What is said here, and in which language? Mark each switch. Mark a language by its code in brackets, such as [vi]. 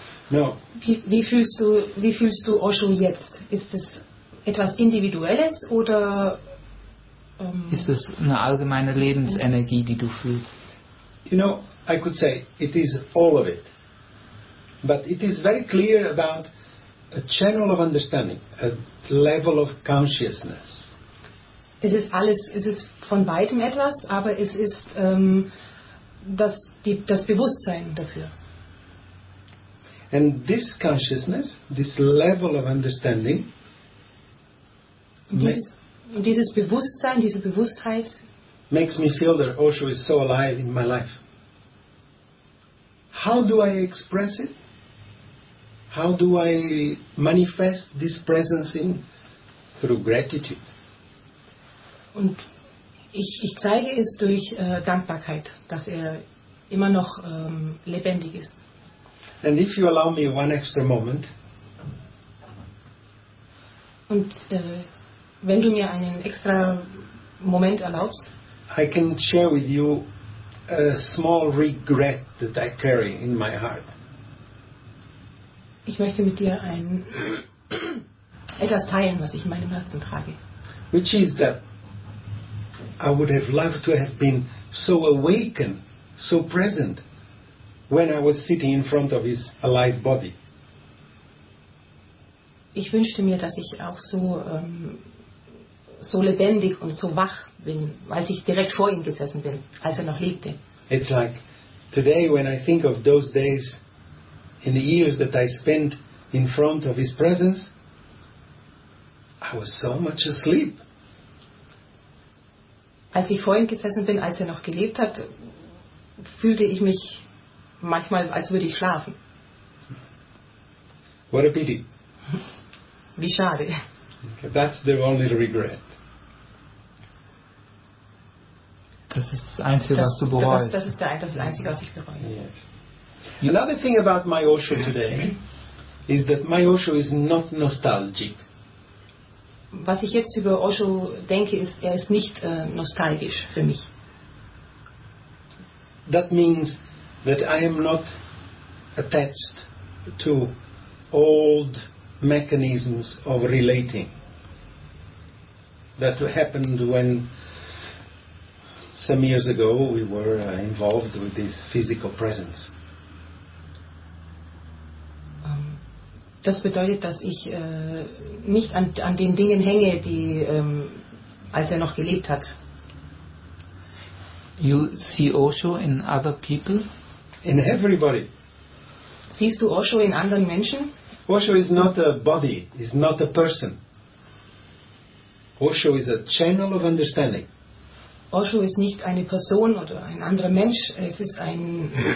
[en] No. [de] Wie fühlst du Osho jetzt? Ist es etwas Individuelles oder... Ist es eine allgemeine Lebensenergie, die du fühlst? [en] You know, I could say it is all of it. But it is very clear about a channel of understanding, a level of consciousness. [de] Es ist von beidem etwas, aber es ist das Bewusstsein dafür. [en] And this consciousness, this level of understanding, [de] Dieses Bewusstsein, diese Bewusstheit [en] makes me feel that Osho is so alive in my life. How do I express it? How do I manifest this presence in through gratitude? [de] Und ich zeige es durch Dankbarkeit, dass er immer noch lebendig ist. [en] And if you allow me one extra moment. [de] Und wenn du mir einen extra Moment erlaubst, [en] I can share with you a small regret that I carry in my heart. [de] Ich möchte mit dir ein etwas teilen, was ich in meinem Herzen trage. [en] Which is that I would have loved to have been so awakened, so present, when I was sitting in front of his alive body. [de] Ich wünschte mir, dass ich auch so lebendig und so wach bin, als ich direkt vor ihm gesessen bin, als er noch lebte. [en] It's like today when I think of those days in the years that I spent in front of his presence, I was so much asleep. [de] Als ich vor ihm gesessen bin, als er noch gelebt hat, fühlte ich mich manchmal, als würde ich schlafen. [en] What a pity. [de] Wie schade. [en] Okay, that's the only regret. [de] Das ist das Einzige, was du bereust. Das ist das Einzige, was ich bereue. [en] Yes. Another thing about my Osho today is that my Osho is not nostalgic. [de] Was ich jetzt über Osho denke, ist, er ist nicht nostalgisch für mich. [en] That means that I am not attached to old mechanisms of relating that happened when some years ago we were involved with this physical presence. [de] Das bedeutet, dass ich nicht an den Dingen hänge, die als er noch gelebt hat. [en] You see Osho in other people? In everybody. [de] Siehst du Osho in anderen Menschen? [en] Osho is not a body, is not a person. Osho is a channel of understanding. [de] Osho ist nicht eine Person oder ein anderer Mensch, es ist ein